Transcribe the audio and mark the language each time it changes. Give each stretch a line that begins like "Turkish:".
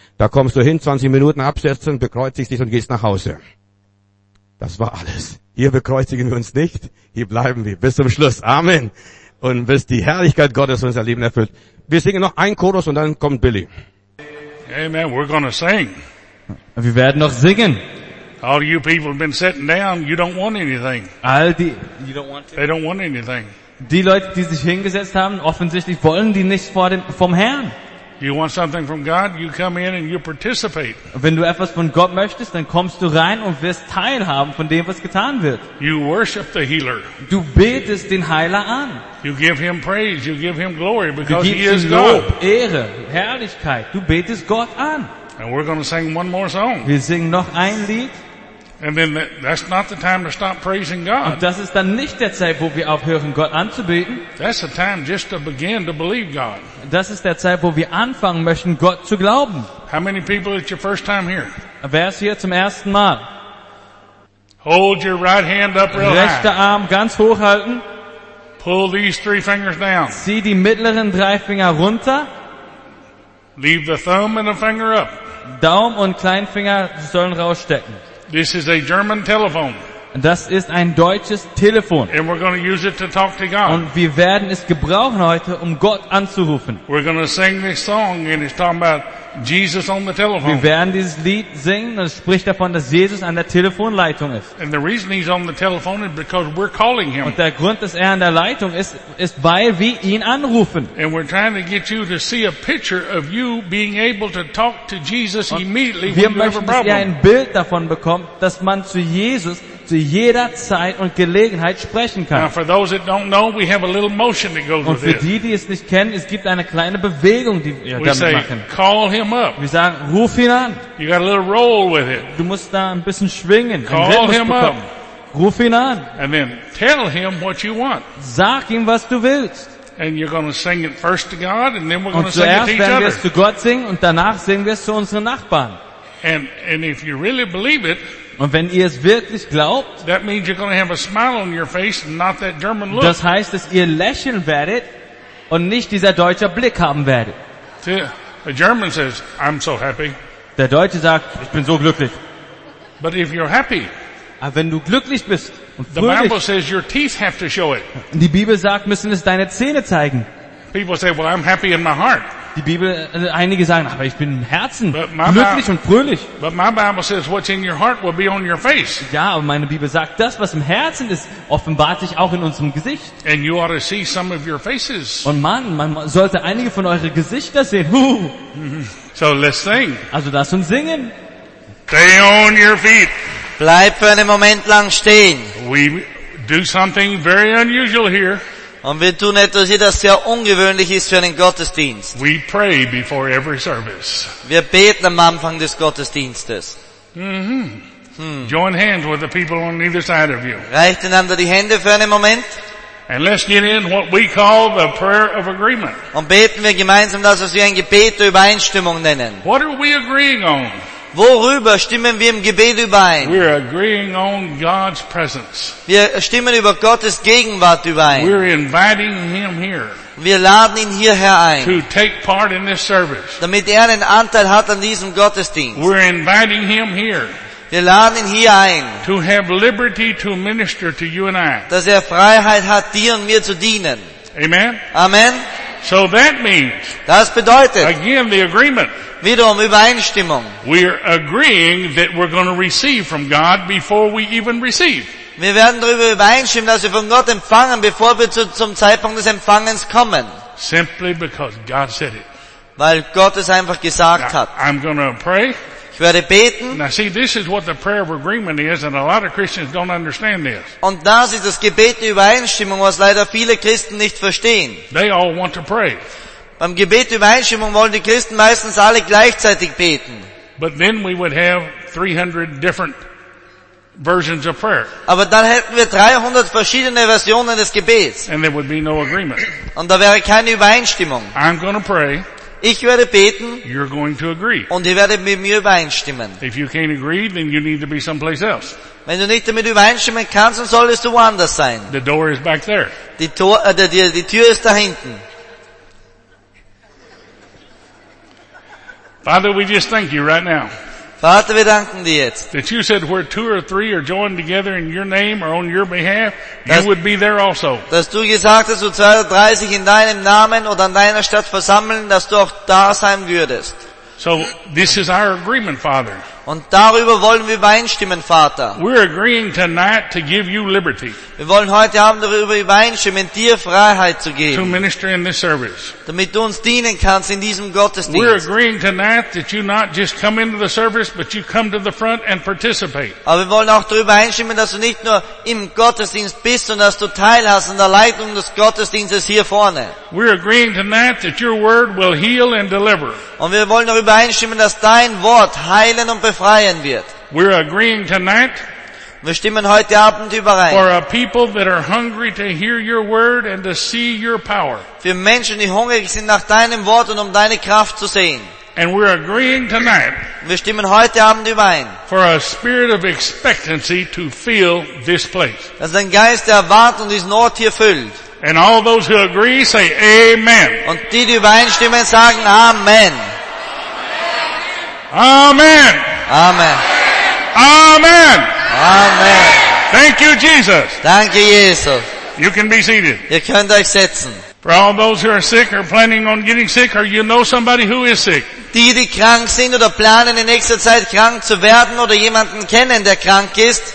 German: Da kommst du hin, 20 Minuten absetzen, bekreuzigst dich und gehst nach Hause. Das war alles. Hier bekreuzigen wir uns nicht, hier bleiben wir bis zum Schluss. Amen. Und bis die Herrlichkeit Gottes unser Leben erfüllt. Wir singen noch einen Chorus und dann kommt Billy.
English: Amen, we're gonna sing.
German: Wir werden noch singen.
English: All you people have been sitting down, you don't want anything.
German: All die,
English: you don't want to. They don't want anything.
German: Die Leute, die sich hingesetzt haben, offensichtlich wollen die nichts vor dem, vom Herrn.
English: You want something from God, you come in and you participate.
German: Wenn du etwas von Gott möchtest, dann kommst du rein und wirst teilhaben von dem, was getan wird.
English: You worship the healer.
German: Du betest den Heiler an.
English: You give him praise, you give him glory because he is God.
German: Ehre, Herrlichkeit, du betest Gott an.
English: And we're going to sing one more song.
German: Wir singen noch ein Lied.
English: And then that's not the time to stop praising God.
German: Und das ist dann nicht der Zeit, wo wir aufhören, Gott anzubeten.
English: That's the time just to begin to believe God.
German: Das ist der Zeit, wo wir anfangen möchten, Gott zu glauben.
English: How many people is your first time here?
German: Wer ist hier zum ersten Mal?
English: Hold your right hand up real high.
German: Rechte Arm ganz hochhalten.
English: Pull these 3 fingers down.
German: Zieh die mittleren 3 Finger runter.
English: Leave the thumb and the finger up.
German: Daumen und Kleinfinger sollen rausstecken.
English: This is a German telephone.
German: Das ist ein deutsches Telefon.
English: And we're going to use it to talk to God.
German: Und wir werden es gebrauchen heute, um Gott anzurufen.
English: We're going to sing this song and it's talking about Jesus on the telephone.
German: Wir werden dieses Lied singen und es spricht davon, dass Jesus an der Telefonleitung ist.
English: And the reason he's on the telephone is because we're calling him.
German: Und der Grund, dass er an der Leitung ist, ist, weil wir ihn anrufen.
English: And we're trying to get you to see a picture of you being able to talk to Jesus immediately when you have a problem.
German: Wir möchten, dass ihr ein Bild davon bekommt, dass man zu Jesus zu jeder Zeit und Gelegenheit sprechen kann.
English: Now for those that don't know, we have a little motion that goes with it.
German: Und für die, die es nicht kennen, es gibt eine kleine Bewegung, die wir damit machen.
English: We say, call him up.
German: Wir sagen, ruf ihn an.
English: You got a little roll with it.
German: Du musst da ein bisschen schwingen.
English: Call him up.
German: Ruf ihn an.
English: And then tell him what you want.
German: Sag ihm, was du willst.
English: And you're going to sing it first to God, and then we're going to sing it to each other.
German: Und zuerst werden wir es zu Gott singen und danach singen wir es zu unseren Nachbarn.
English: And if you really believe it.
German: Und wenn ihr es wirklich glaubt, das heißt, dass ihr lächeln werdet und nicht dieser deutsche Blick haben werdet.
English: The German says, I'm so happy.
German: Der Deutsche sagt, ich bin so glücklich.
English: But if you're happy,
German: aber wenn du glücklich bist und
English: fröhlich, the Bible says your teeth have to show it.
German: Die Bibel sagt, müssen es deine Zähne zeigen.
English: People say, well, I'm happy in my heart.
German: Die Bibel, einige sagen, aber ich bin im Herzen glücklich und fröhlich.
English: But my Bible says, what's in your heart will be on your face.
German: Ja, aber meine Bibel sagt, das, was im Herzen ist, offenbart sich auch in unserem Gesicht.
English: And you ought to see some of your faces.
German: Und man sollte einige von eure Gesichter sehen.
English: So let's sing.
German: Also lass uns singen.
English: Stay on your feet.
German: Bleib für einen Moment lang stehen.
English: We do something very unusual here.
German: Und wir tun etwas, das sehr ungewöhnlich ist für einen Gottesdienst.
English: We pray before every service.
German: Wir beten am Anfang des Gottesdienstes. Mm-hmm.
English: Join hands with the people on either side of you.
German: Reicht einander die Hände für einen Moment.
English: And let's get in what we call the prayer of agreement.
German: Und beten wir gemeinsam das, was wir ein Gebet der Übereinstimmung nennen.
English: What are we agreeing on?
German: Worüber stimmen wir im Gebet überein?
English: We're agreeing on God's presence.
German: Wir stimmen über Gottes Gegenwart überein.
English: We're inviting him here.
German: Wir laden ihn hierher ein,
English: to take part in this service.
German: Damit er einen Anteil hat an diesem Gottesdienst.
English: We're inviting him here.
German: Wir laden ihn hier ein,
English: to have liberty to minister to you and I.
German: Dass er Freiheit hat, dir und mir zu dienen. Amen. Amen.
English: So that means,
German: das bedeutet,
English: again the agreement.
German: Wiederum Übereinstimmung.
English: We're agreeing that we're going to receive from God before we even receive.
German: Wir werden darüber übereinstimmen, dass wir von Gott empfangen, bevor wir zum Zeitpunkt des Empfangens kommen.
English: Simply because God said it.
German: Weil Gott es einfach gesagt hat.
English: I'm going to pray.
German: Ich werde beten.
English: Now see, this is what the prayer of agreement is, and a lot of Christians don't understand this.
German: Und das ist das Gebet der Übereinstimmung, was leider viele Christen nicht verstehen.
English: They all want to pray.
German: Beim Gebet der Übereinstimmung wollen die Christen meistens alle gleichzeitig beten.
English: But then we would have 300 different versions of prayer.
German: Aber dann hätten wir 300 verschiedene Versionen des Gebets.
English: And there would be no agreement.
German: Und da wäre keine Übereinstimmung.
English: I'm going to pray.
German: Ich werde beten.
English: You're going to agree.
German: Und ihr werdet mit mir übereinstimmen.
English: If you can't agree, then you need to be someplace else.
German: Wenn du nicht damit übereinstimmen kannst, dann solltest du woanders sein.
English: The door is back there.
German: Die Tür ist da hinten.
English: Father, we just thank you right now.
German: Vater, wir danken dir jetzt.
English: That you said where two or three are joined together in your name or on your behalf, you would be there also.
German: Dass du gesagt hast, wo zwei oder drei sich in deinem Namen oder an deiner Stadt versammeln, dass du auch da sein würdest.
English: So this is our agreement, Father.
German: Und darüber wollen wir übereinstimmen, Vater.
English: We're agreeing tonight to give you liberty.
German: Wir wollen heute Abend darüber übereinstimmen, dir Freiheit zu geben.
English: To minister in this service.
German: Damit du uns dienen kannst in diesem Gottesdienst.
English: We're agreeing tonight that you not just come into the service, but you come to the front and participate.
German: Aber wir wollen auch darüber übereinstimmen, dass du nicht nur im Gottesdienst bist, sondern dass du Teil hast an der Leitung des Gottesdienstes hier vorne.
English: We're agreeing tonight that your word will heal and deliver.
German: Und wir wollen darüber übereinstimmen, dass dein Wort heilen und befreien wird.
English: We're agreeing tonight.
German: Wir stimmen heute Abend überein.
English: For a people that are hungry to hear your word and to see your power.
German: Für Menschen, die hungrig sind nach deinem Wort und deine Kraft zu sehen.
English: And we're agreeing tonight.
German: Wir stimmen heute Abend überein.
English: For a spirit of expectancy to fill this place.
German: Dass ein Geist der Erwartung diesen Ort hier füllt.
English: And all those who agree say amen.
German: Und die übereinstimmen sagen amen. Amen. Amen. Amen. Amen.
English: Thank you, Jesus.
German: Danke, Jesus.
English: You can be seated.
German: Ihr könnt euch setzen.
English: For all those who are sick or planning on getting sick, or you know somebody who is sick.
German: Die krank sind oder planen in nächster Zeit krank zu werden oder jemanden kennen, der krank ist.